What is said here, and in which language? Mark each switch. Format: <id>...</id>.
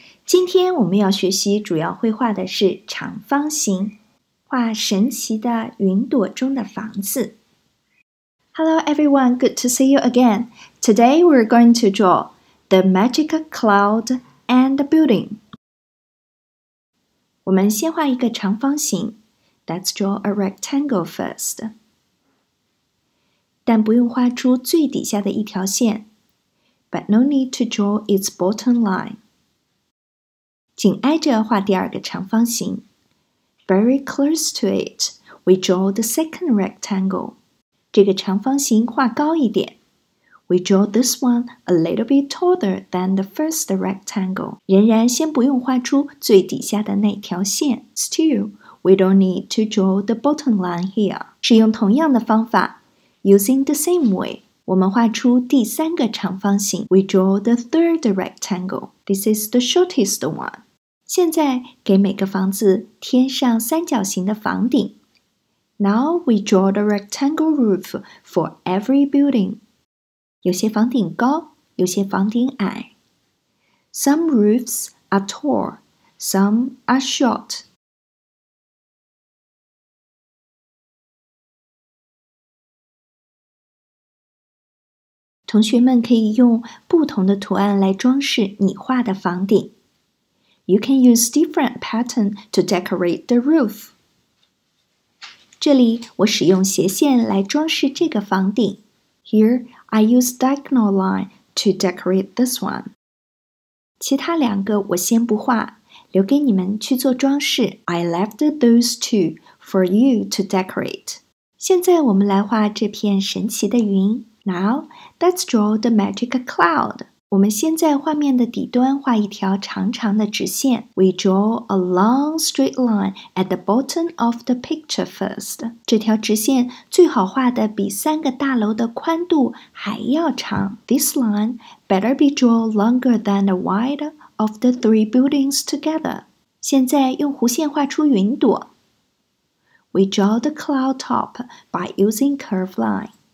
<zh>今天我们要学习主要绘画的是长方形，画神奇的云朵中的房子。</zh> <en>Hello everyone, good to see you again. Today we're going to draw the magic cloud and the building.</en> <zh>我们先画一个长方形。</zh> <en>Let's draw a rectangle first.</en> <zh>但不用画出最底下的一条线。</zh> <en>But no need to draw its bottom line.</en> <zh>紧挨着画第二个长方形。</zh> <en>Very close to it, we draw the second rectangle.</en> <zh>这个长方形画高一点。</zh> <en>We draw this one a little bit taller than the first rectangle.</en> <zh>仍然先不用画出最底下的那条线。</zh> <en>Still, we don't need to draw the bottom line here.</en> <zh>使用同样的方法。</zh> <en>Using the same way.</en> <zh>我们画出第三个长方形。</zh> <en>We draw the third rectangle. This is the shortest one.</en> <zh>现在给每个房子添上三角形的房顶。</zh> <en>Now we draw the rectangle roof for every building.</en> <zh>有些房顶高，有些房顶矮。</zh> <en>Some roofs are tall, some are short.</en> <zh>同学们可以用不同的图案来装饰你画的房顶。</zh> <en>You can use different pattern to decorate the roof.</en> <zh>这里我使用斜线来装饰这个房顶。</zh> <en>Here I use diagonal line to decorate this one.</en> <zh>其他两个我先不画，留给你们去做装饰。</zh> <en>I left those two for you to decorate.</en> <zh>现在我们来画这片神奇的云。</zh> <en>Now, let's draw the magic cloud.</en> <zh>我们先在画面的底端画一条长长的直线。</zh> <en>We draw a long straight line at the bottom of the picture first.</en> <zh>这条直线最好画的比三个大楼的宽度还要长。</zh> <en>This line better be drawn longer than the width of the three buildings together.</en> <zh>现在用弧线画出云朵。</zh> <en>We draw the cloud top by using curved line.</en>